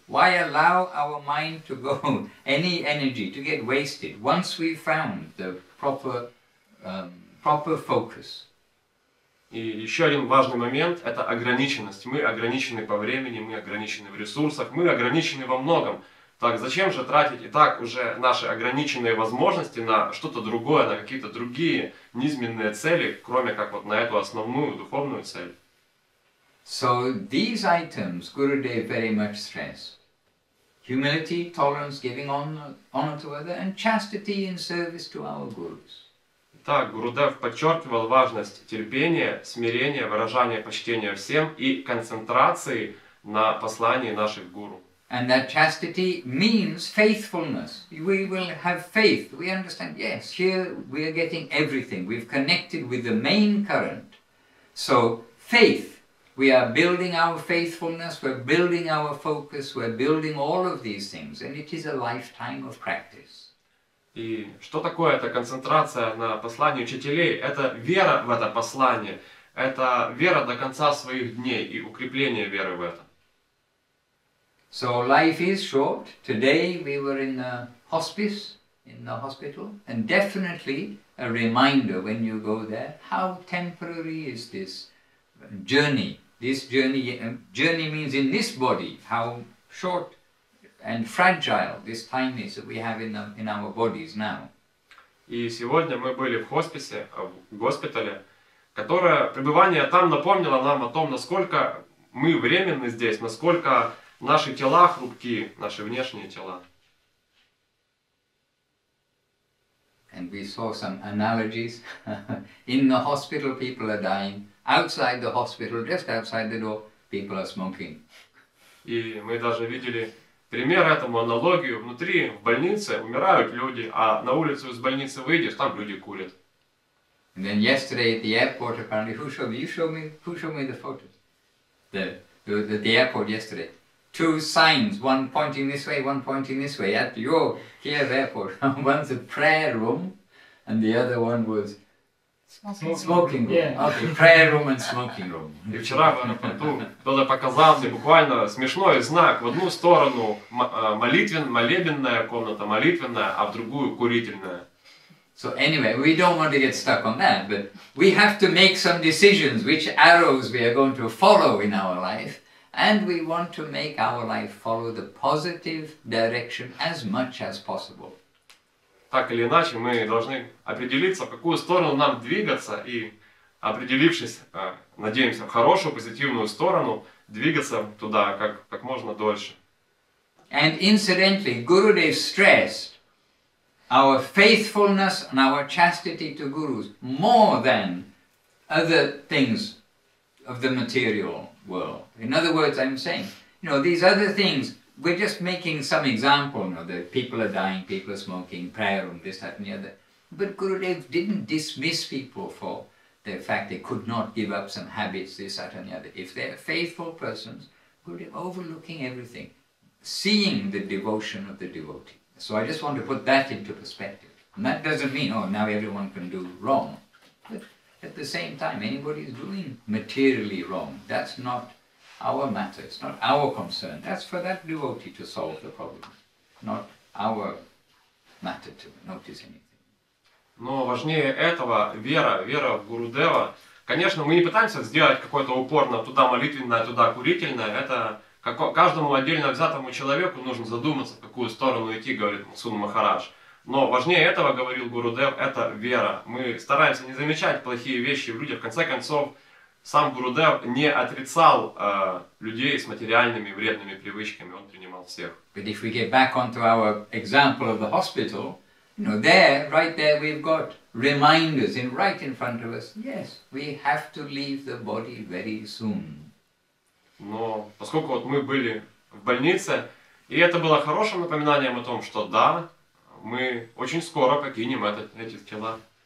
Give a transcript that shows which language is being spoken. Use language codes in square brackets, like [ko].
[en] Why allow our mind to go, any energy, to get wasted, once we've found the proper focus? [ru] И еще один важный момент – это ограниченность. Мы ограничены по времени, мы ограничены в ресурсах, мы ограничены во многом. Так зачем же тратить и так уже наши ограниченные возможности на что-то другое, на какие-то другие низменные цели, кроме как вот на эту основную духовную цель? [en] So these items Gurudev very much stress. Humility, tolerance, giving honor to other, and chastity in service to our gurus. [ru] Так, Гурудев подчеркивал важность терпения, смирения, выражения почтения всем и концентрации на послании наших гуру. [en] And that chastity means faithfulness. We will have faith. We understand, yes, here we are getting everything. We've connected with the main current. So, faith. We are building our faithfulness, we're building our focus, we're building all of these things. And it is a lifetime of practice. [ru] И что такое эта концентрация на послании учителей? Это вера в это послание. Это вера до конца своих дней и укрепление веры в это. [en] So life is short. Today we were in the hospice, in the hospital. And definitely a reminder when you go there, how temporary is this journey? This journey, journey means in this body, how short and fragile this time is that we have in our bodies now. [ru] И сегодня мы были в хосписе, в госпитале, которое пребывание там напомнило нам о том, насколько мы временны здесь, насколько наши тела хрупкие, наши внешние тела. [en] And we saw some analogies. In the hospital people are dying. Outside the hospital, just outside the door, people are smoking. [ru] И мы даже видели пример этому, аналогию, внутри, в больнице, умирают люди, а на улицу из больницы выйдешь, там люди курят. [en] And then yesterday at the airport, apparently, who showed me the photos? The airport yesterday. Two signs, one pointing this way, one pointing this way, at your Kiev airport. One's a prayer room, and the other one was smoking room. Yeah. Okay, prayer room and smoking room. [ru] И вчера в аэропорту было показано буквально смешной знак. В одну сторону молебенная комната, молитвенная, а в другую курительная. [en] So anyway, we don't want to get stuck on that, but we have to make some decisions which arrows we are going to follow in our life, and we want to make our life follow the positive direction as much as possible. Так или иначе, мы должны определиться, в какую сторону нам двигаться, и, определившись, надеемся, в хорошую, позитивную сторону, двигаться туда как можно дольше. And incidentally, Gurudev stressed our faithfulness and our chastity to gurus more than other things of the material world. In other words, I'm saying, you know, these other things, we're just making some example, you know, that people are dying, people are smoking, prayer room, this, that, and the other. But Gurudev didn't dismiss people for the fact they could not give up some habits, this, that, and the other. If they're faithful persons, Gurudev overlooking everything, seeing the devotion of the devotee. So I just want to put that into perspective. And that doesn't mean, oh, now everyone can do wrong. But at the same time, anybody is doing materially wrong. That's not our matter, it's not our concern. That's for that devotee to solve the problem, not our matter to notice anything. [ru] Но важнее этого вера в Гурудева. Конечно, мы не пытаемся сделать какой-то упор на туда молитвенное, туда курительное. Это каждому отдельно взятому человеку нужно задуматься, в какую сторону идти, говорит Сун Махарадж. Но важнее этого, говорил Гурудев, это вера. Мы стараемся не замечать плохие вещи в людях, в конце концов, сам Гурудев не отрицал людей с материальными вредными привычками, он принимал всех. [en] But if we get back onto our example of the hospital, you know, there, right there, we've got reminders in right in front of us. Yes, we have to leave the body very soon. [ru] Но поскольку вот мы были в больнице, и это было хорошим напоминанием о том, что да, мы очень скоро покинем эти тела.